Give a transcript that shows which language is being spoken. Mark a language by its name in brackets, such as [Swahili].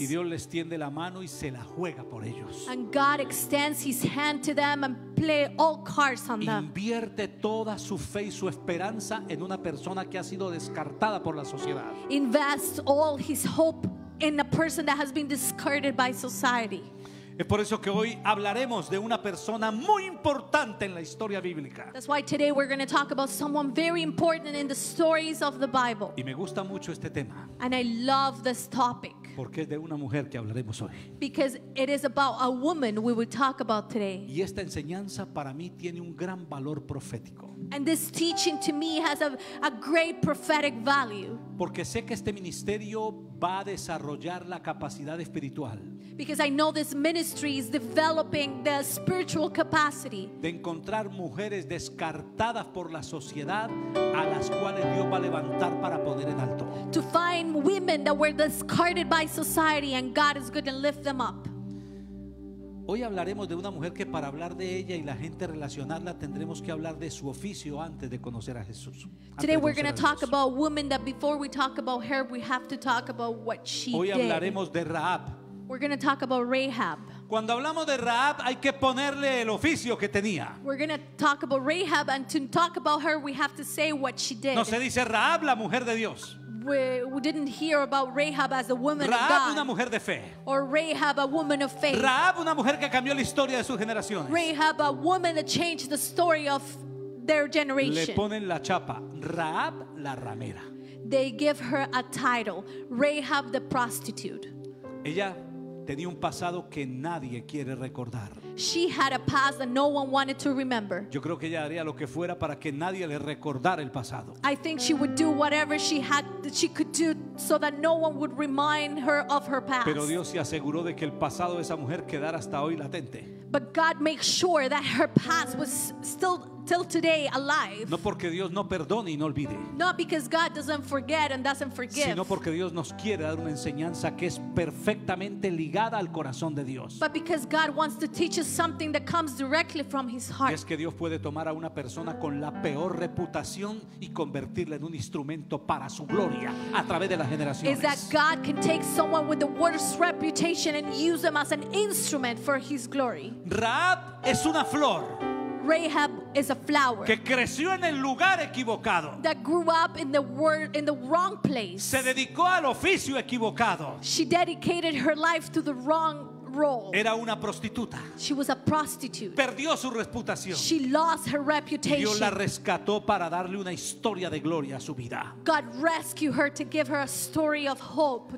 [Spanish] Y Dios les tiende la mano y se la juega por ellos. [English] And God extends his hand to them and play all cards on them. [Spanish] Invierte toda su fe y su esperanza en una persona que ha sido descartada por la sociedad. [English] Invest all his hope in a person that has been discarded by society. [Spanish] Es por eso que hoy hablaremos de una persona muy importante en la historia bíblica. [English] That's why today we're going to talk about someone very important in the stories of the Bible. [Spanish] Y me gusta mucho este tema. [English] And I love this topic. [Spanish] Porque es de una mujer que hablaremos hoy. [English] Because it is about a woman we will talk about today. [Spanish] Y esta enseñanza para mí tiene un gran valor profético. [English] And this teaching to me has a great prophetic value. [Spanish] Porque sé que este ministerio va a desarrollar la capacidad espiritual. [English] Because I know this ministry is developing the spiritual capacity. [Spanish] De encontrar mujeres descartadas por la sociedad a las cuales Dios va a levantar para poner en alto. [English] To find women that were discarded by society and God is going to lift them up. [Spanish] Hoy hablaremos de una mujer que para hablar de ella y la gente relacionarla tendremos que hablar de su oficio antes de conocer a Jesús. [English] Today we're going to talk about a woman that before we talk about her we have to talk about what she did. [Spanish] Hoy hablaremos de Rahab. [English] We're going to talk about Rahab. [Spanish] Cuando hablamos de Rahab hay que ponerle el oficio que tenía. [English] We're going to talk about Rahab and to talk about her we have to say what she did. [Spanish] No se dice Rahab la mujer de Dios. [English] We didn't hear about Rahab as a woman Rahab, of God. [Spanish] Una mujer de fe. [English] Or Rahab, a woman of faith. [Spanish] Rahab, una mujer que cambió la historia de sus generaciones. [English] Rahab, a woman that changed the story of their generation. [Spanish] Le ponen la chapa, Rahab la ramera. [English] They give her a title, Rahab the prostitute. [Spanish] Ella tenía un pasado que nadie quiere recordar. [English] She had a past that no one wanted to remember. [Spanish] Yo creo que ella haría lo que fuera para que nadie le recordara el pasado. [English] I think she would do whatever she had she could do so that no one would remind her of her past. [Spanish] Pero Dios se aseguró de que el pasado de esa mujer quedara hasta hoy latente. [English] But God made sure that her past was still till today alive. [Spanish] No porque Dios no perdone y no olvide. [English] Not because God doesn't forget and doesn't forgive. [Spanish] Sino porque Dios nos quiere dar una enseñanza que es perfectamente ligada al corazón de Dios. [English] But because God wants to teach us something that comes directly from His heart. [Spanish] Es que Dios puede tomar a una persona con la peor reputación y convertirla en un instrumento para su gloria a través de las generaciones. [English] Is that God can take someone with the worst reputation and use them as an instrument for His glory. [Spanish] Rahab es una flor. [English] Rahab is a flower [Spanish] que creció en el lugar equivocado. [English] That grew up in the wrong place. [Spanish] Se dedicó al oficio equivocado. [English] She dedicated her life to the wrong role. [Spanish] Era una prostituta. [English] She was a prostitute. [Spanish] Perdió su reputación. [English] She lost her reputation. [Spanish] Dios la rescató para darle una historia de gloria a su vida. [English] God rescued her to give her a story of hope to